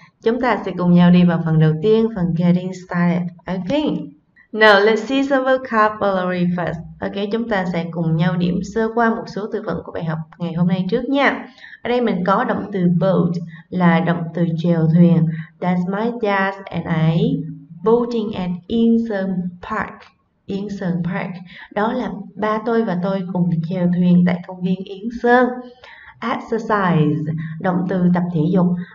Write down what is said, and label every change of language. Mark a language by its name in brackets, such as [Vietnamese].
[Vietnamese] Chúng ta sẽ cùng nhau đi vào phần đầu tiên, phần Getting Started. Okay. [English] Now, let's see some vocabulary first. [Vietnamese] Okay, chúng ta sẽ cùng nhau điểm sơ qua một số từ vựng của bài học ngày hôm nay trước nha. Ở đây mình có động từ boat là động từ chèo thuyền. [English] That's my dad and I boating at Incheon Park. Incheon Park. [Vietnamese] Đó là ba tôi và tôi cùng chèo thuyền tại công viên Incheon. Exercise, động từ tập thể dục.